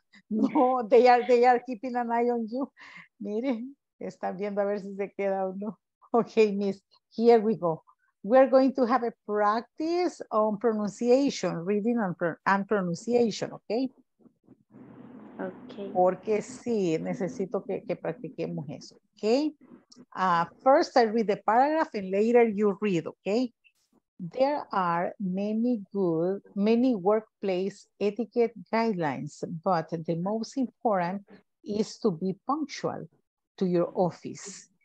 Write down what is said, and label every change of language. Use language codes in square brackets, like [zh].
[en] No, they are keeping an eye on you. [es] Miren, están viendo a ver si se queda o no. [en] Okay, Miss. Here we go. We're going to have a practice on pronunciation, reading and pronunciation, okay? Okay. [es] Porque sí, necesito que practiquemos eso, okay? [en] First, I read the paragraph and later you read, okay? There are many workplace etiquette guidelines, but the most important is to be punctual to your office.